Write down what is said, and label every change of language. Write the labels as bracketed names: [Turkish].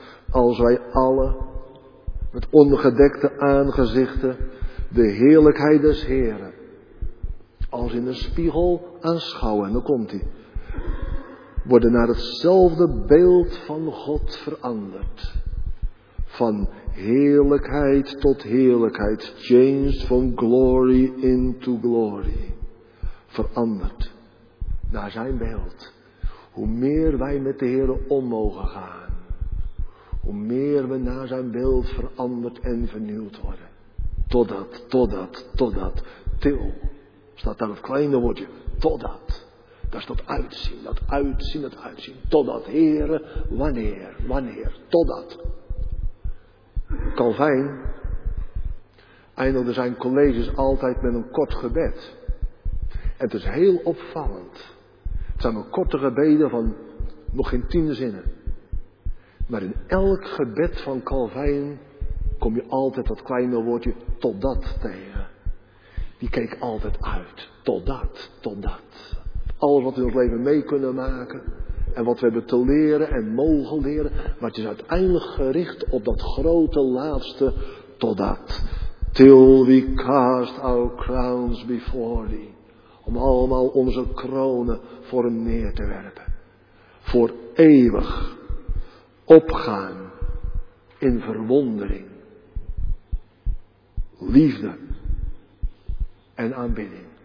[Dutch] Als wij alle met ongedekte aangezichten de heerlijkheid des Heren als in een spiegel aanschouwen. En dan komt hij. Worden naar hetzelfde beeld van God veranderd. Van heerlijkheid tot heerlijkheid. [English] Changed from glory into glory. [Dutch] Veranderd. Naar zijn beeld. Hoe meer wij met de Heere om mogen gaan. Hoe meer we naar zijn beeld veranderd en vernieuwd worden. Totdat. Til. Staat daar het kleine woordje. Totdat. Dat is dat uitzien. Totdat. Heere. Wanneer. Totdat. Calvijn. Eindigde zijn colleges altijd met een kort gebed. Het is heel opvallend. Het zijn maar korte gebeden van nog geen 10 zinnen. Maar in elk gebed van Calvijn kom je altijd dat kleine woordje totdat tegen. Die keek altijd uit. Totdat. Alles wat we in ons leven mee kunnen maken. En wat we hebben te leren en mogen leren. Maar het is uiteindelijk gericht op dat grote laatste totdat. [English] Till we cast our crowns before thee. [Dutch] Om allemaal onze kronen voor hem neer te werpen. Voor eeuwig opgaan in verwondering, liefde en aanbidding.